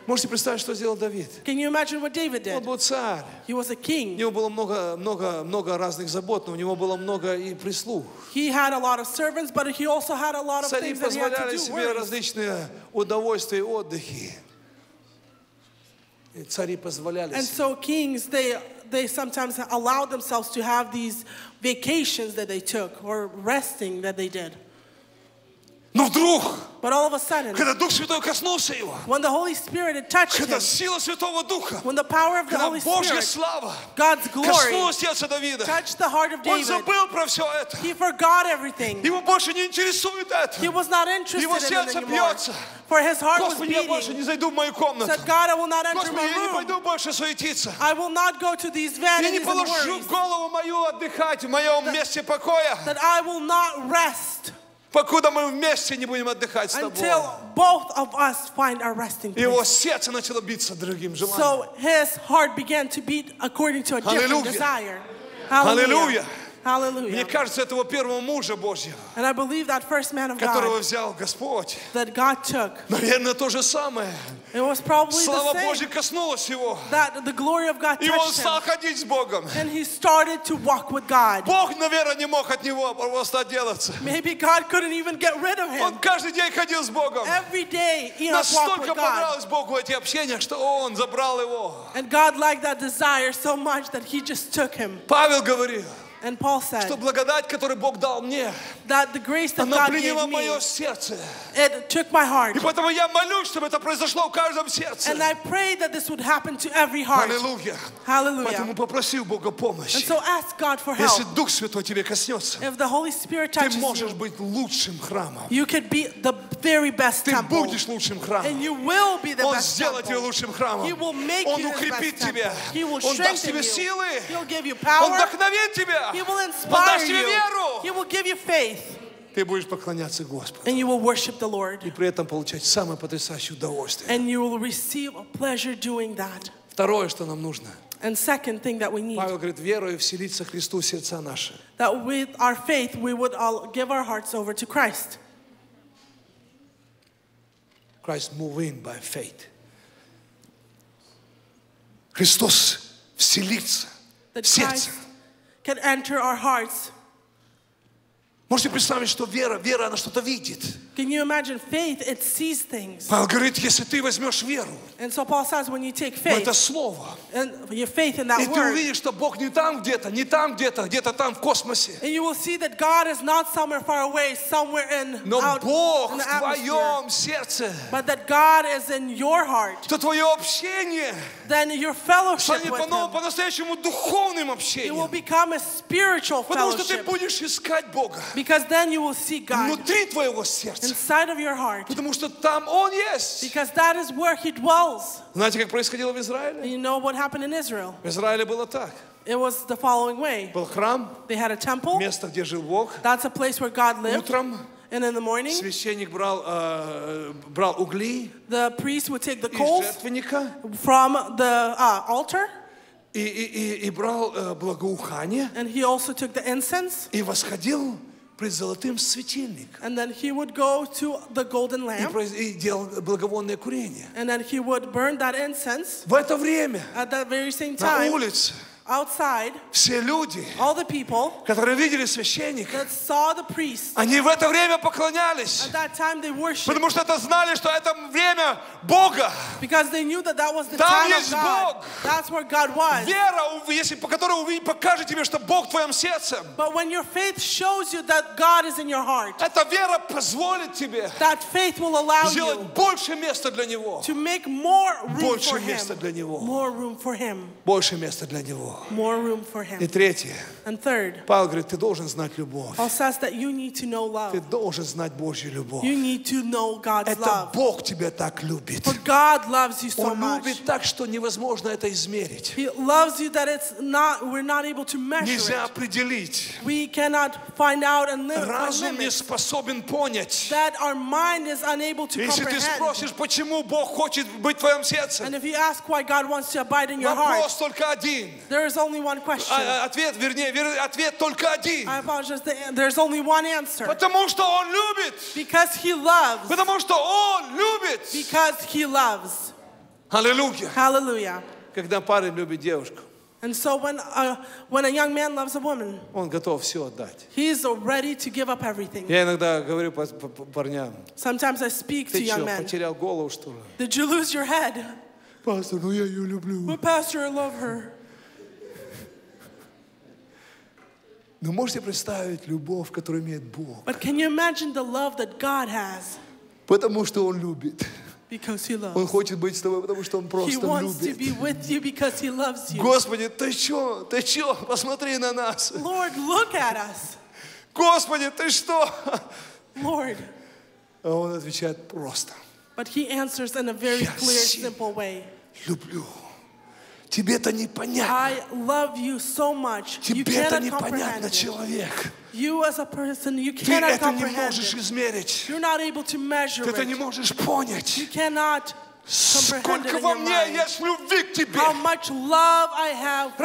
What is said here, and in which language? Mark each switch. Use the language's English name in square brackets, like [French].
[Russian] Можете представить, что сделал Давид? [English] Can you imagine what David did? [Russian] Он был царь. [English] He was a king. [Russian] У него было много разных забот, но у него было много и прислуг. [English] He had a lot of servants, but he also had a lot of [Russian] цари [English] things that he had to do. [Russian] Цари позволяли себе различные удовольствия и отдыхи. И цари позволяли. [English] And so kings, they sometimes allowed themselves to have these vacations that they took or resting that they did. [Russian] Но вдруг, [English] but all of a sudden, [Russian] когда Дух Святой коснулся его, [English] when the Holy Spirit touched [Russian] когда [English] him, [Russian] сила Святого Духа, [English] when the power of the Holy [Russian] Божья [English] Spirit, [Russian] слава, [English] God's glory, [Russian] коснулось сердца Давида, [English] touched the heart of David, [Russian] он забыл про все это. [English] He forgot everything. [Russian] Его больше не интересует это. [English] He was not interested [Russian] его сердце [English] in it anymore. [Russian] Бьется. [English] For his heart [Russian] Господи, [English] was beating. [Russian] Я больше не зайду в мою комнату. [English] Said, God, I will not enter [Russian] Господи, [English] my room. [Russian] Я не пойду больше суетиться. [English] I will not go to these vanities and worries. [Russian] Я не положу голову мою отдыхать в моем месте покоя. [English] That I will not rest. [Russian] Покуда мы вместе не будем отдыхать с тобой. [English] Until both of us find our resting place. [Russian] Его сердце начало биться другим желанием. [English] So his heart began to beat according to a different Hallelujah. Desire. Hallelujah. Hallelujah. [Russian] Мне кажется, этого первого мужа Божьего, [English] and I believe that first man of God, [Russian] которого взял Господь, [English] that God took, [Russian] наверное, то же самое. [English] It was probably [Russian] Слава [English] the same. [Russian] Божья коснулась его. [English] That the glory of God touched [Russian] и он стал [English] him. [Russian] Ходить с Богом. [English] And he started to walk with God. [Russian] Бог, наверное, не мог от него просто отделаться. [English] Maybe God couldn't even get rid of him. [Russian] Он каждый день ходил с Богом. [English] Every day he walked with [Russian] Настолько понравилось Богу эти общения, что он забрал его. [English] And God liked that desire so much that he just took him. [Russian] Павел говорил. [English] And Paul said, [Russian] что благодать, которую Бог дал мне, [English] that the grace that [Russian] она [English] God [Russian] приняла [English] gave [Russian] мое [English] me, [Russian] сердце. [English] It took my heart. [Russian] И поэтому я молюсь, чтобы это произошло в каждом сердце. [English] And I pray that this would happen to every heart. [Russian] Аллилуйя. [English] Hallelujah. [Russian] Поэтому попроси у Бога помощи. [English] And so ask God for help. [Russian] Если Дух Святой тебе коснется, [English] if the Holy Spirit touches [Russian] ты можешь [English] you, [Russian] быть лучшим храмом. [English] You could be the very best temple. [Russian] Ты будешь лучшим храмом. [English] And you will be the [Russian] Он [English] best [Russian] сделает тебя лучшим храмом. [English] He will make [Russian] Он [English] you [Russian] укрепит [English] the best [Russian] тебя. [English] He will [Russian] Он даст тебе [English] you. [Russian] Силы. [English] He'll give you power. [Russian] Он вдохновит тебя. [English] He will inspire you. He will give you faith. [Russian] Ты будешь поклоняться Господу. [English] And you will worship the Lord. [Russian] И при этом получать самое потрясающее удовольствие. [English] And you will receive a pleasure doing that. [Russian] Второе, что нам нужно. [English] And second thing that we need. [Russian] Павел говорит, верою вселиться Христу в сердца наши. [English] That with our faith we would all give our hearts over to Christ. Christ moving by faith. [Russian] Христос вселится в сердце. [English] Can enter our hearts. [Russian] Можете представить, что вера она что-то видит. [English] Can you imagine faith? It sees things. [Russian] Павел говорит, если ты возьмешь веру. [English] And so Paul says, when you take faith. [Russian] Это слово. [English] And your faith in that word. [Russian] И ты увидишь, что Бог не там где-то, не там где-то, где-то там в космосе. [English] And you will see that God is not somewhere far away, somewhere in [Russian] Но [English] out, [Russian] Бог [English] in the [Russian] в твоем сердце. [English] But that God is in your heart. [Russian] Это твое общение. [English] Then your fellowship [Russian] станет [English] with him. [Russian] По-настоящему духовным общением. [English] It will become a spiritual [Russian] Потому [English] fellowship. [Russian] Потому что ты будешь искать Бога. [English] Because then you will see God. [Russian] Внутри твоего сердца. [English] Inside of your heart. [Russian] Потому что там он есть. [English] Because that is where he dwells. [Russian] Знаете, как происходило в Израиле? [English] You know what happened in Israel? [Russian] В Израиле было так. [English] It was the following way. [Russian] Был храм. [English] They had a temple. [Russian] Место, где жил Бог. [English] That's a place where God lived. [Russian] Утром. [English] And in the morning. [Russian] Священник брал угли. [English] The priest would take the coals. [Russian] Из жертвенника. [English] From the altar. [Russian] И брал благоухание. [English] And he also took the incense. [Russian] И восходил. Пред золотым светильник. [English] And then he would go to the golden lamp. [Russian] И делал благовонное курение. [English] And then he would burn that incense. [Russian] В это время. [English] At that very same time. [Russian] На улице. [English] Outside. [Russian] Все люди. [English] All the people. [Russian] Которые видели священника. [English] That saw the priest. [Russian] Они в это время поклонялись. [English] At that time they worshipped. [Russian] Потому что это знали, что это время Бога. [English] Because they knew that that was the time of God. [Russian] Там есть Бог. [English] That's where God was. [Russian] Вера, если по которой увидит, покажет тебе, что Бог в твоем сердце. [English] But when your faith shows you that God is in your heart. [Russian] Эта вера позволит тебе. [English] That faith will allow you. [Russian] Сделать больше места для него. [English] To make more room for him. [Russian] Больше места для него. [English] More room for him. [Russian] Больше места для него. [English] More room for him. [Russian] И третье. [English] And third. [Russian] Павел говорит, ты должен знать любовь. [English] Paul says that you need to know love. [Russian] Ты должен знать Божью любовь. [English] You need to know God's love. [Russian] Это Бог тебя так любит. [English] For God loves you so much. [Russian] Он любит так, что невозможно это измерить. [English] He loves you that it's not, we're not able to measure. [Russian] Нельзя определить. [English] We cannot find out and limit. [Russian] Разум не способен понять. [English] That our mind is unable to comprehend. [Russian] Если ты спросишь, почему Бог хочет быть в твоем сердце? [English] And if you ask why God wants to abide in your heart. [Russian] Вопрос только один. [English] There is only one question. [Russian] Ответ, вернее, ответ только один. [English] I apologize. There's only one answer. [Russian] Потому что он любит. [English] Because he loves. [Russian] Потому что он любит. [English] Because he loves. [Russian] Аллилуйя. [English] Hallelujah. [Russian] Когда парень любит девушку. [English] And so when a young man loves a woman. [Russian] Он готов все отдать. [English] He is ready to give up everything. [Russian] Я иногда говорю парням. [English] Sometimes I speak to young men. [Russian] Ты что, потерял голову, что ли? [English] Did you lose your head? [Russian] Пастор, ну я ее люблю. [English] But pastor, I love her. [Russian] Но можете представить любовь, которую имеет Бог? [English] But can you imagine the love that God has? [Russian] Потому что Он любит. [English] Because He loves. [Russian] Он хочет быть с тобой, потому что Он просто любит. [English] He wants to be with you because He loves you. [Russian] Господи, ты что? Ты что? Посмотри на нас. [English] Lord, look at us. [Russian] Господи, ты что? [English] Lord. [Russian] А Он отвечает просто. [English] But He answers in a very clear, simple way. [Russian] Люблю. Тебе это непонятно. [English] I love you so much. [Russian] Тебе это непонятно, человек. [English] You as a person, you cannot comprehend. [Russian] Ты это не можешь измерить. [English] You're not able to measure. [Russian] Ты это не можешь понять. [English] You cannot comprehend. [Russian] Сколько во мне есть любви к тебе? [English] How much love I have for you?